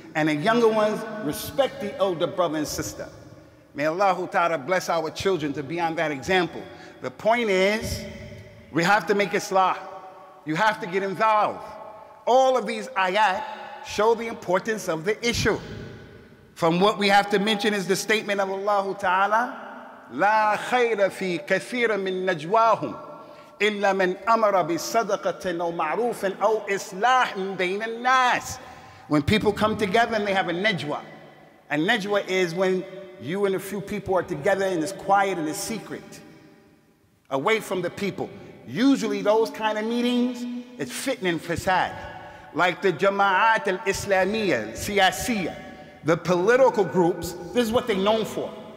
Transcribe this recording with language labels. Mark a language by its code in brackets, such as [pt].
[en] And the younger ones respect the elder brother and sister. May Allah Ta'ala bless our children to be on that example. The point is, we have to make islah. You have to get involved. All of these ayat show the importance of the issue. From what we have to mention is the statement of Allah Ta'ala, [ar] لا خير في كثير من نجواهم إلا من أمر بصدقة أو معروف أو إصلاح بين الناس. [en] When people come together and they have a najwa. A najwa is when you and a few people are together and it's quiet and it's secret, away from the people. Usually those kind of meetings, it's fitna and fasad. Like the jama'at al-islamiyya, siyasiyya, the political groups, this is what they're known for.